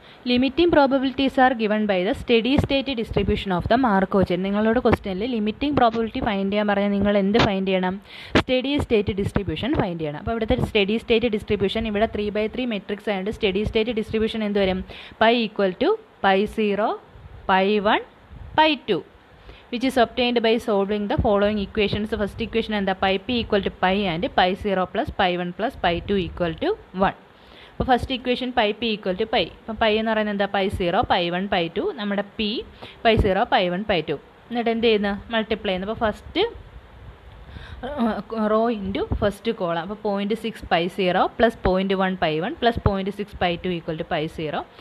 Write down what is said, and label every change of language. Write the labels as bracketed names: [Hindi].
[English] Limiting probabilities are given by the steady state distribution of the Markov chain. [Malayalam] നിങ്ങളോട് ക്വസ്റ്റ്യനിൽ limiting probability find ചെയ്യാൻ പറഞ്ഞാൽ നിങ്ങൾ എന്ത് ഫൈൻഡ് ചെയ്യണം, സ്റ്റഡി സ്റ്റേറ്റ് ഡിസ്ട്രിബ്യൂഷൻ ഫൈൻഡ് ചെയ്യണം. അപ്പോൾ ഇവിടുത്തെ സ്റ്റഡി സ്റ്റേറ്റ് ഡിസ്ട്രിബ്യൂഷൻ ഇവിടെ ത്രീ ബൈ ത്രീ മെട്രിക്സ് ആയതുകൊണ്ട് സ്റ്റഡി സ്റ്റേറ്റ് ഡിസ്ട്രിബ്യൂഷൻ എന്ത് വരും, [English] Pi equal to pi zero pi one pi two. which is obtained by solving the following equations. The first equation and the pi p equal to pi and pi 0 plus pi 1 plus pi 2 equal to 1. അപ്പോൾ first equation pi p equal to pi. [Malayalam] അപ്പോൾ pi എന്ന് പറയുന്നത് എന്താ? Pi zero pi one pi to. നമ്മുടെ P pi zero pi one pi to. എന്നിട്ട് എന്ത് ചെയ്യുന്നത്? Multiply ചെയ്യുന്നത്. [English] അപ്പോൾ first row into first column. അപ്പോൾ point six pi zero plus point one pi one plus point six pi two equal to pi zero.